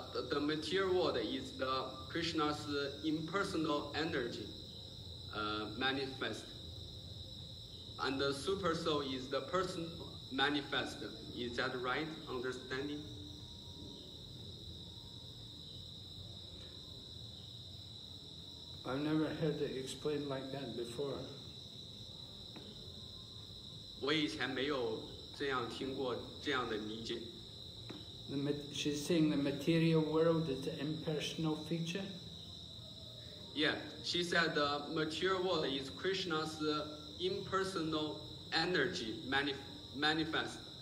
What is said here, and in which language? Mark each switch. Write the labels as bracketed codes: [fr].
[en] the material world is the Krishna's impersonal energy manifest, and the super soul is the person manifest. Is that right understanding? I've never heard it explained like that before. [zh] 我以前没有这样听过这样的理解。 [en] She's saying the material world is an impersonal feature? Yeah, she said the material world is Krishna's impersonal energy manifest.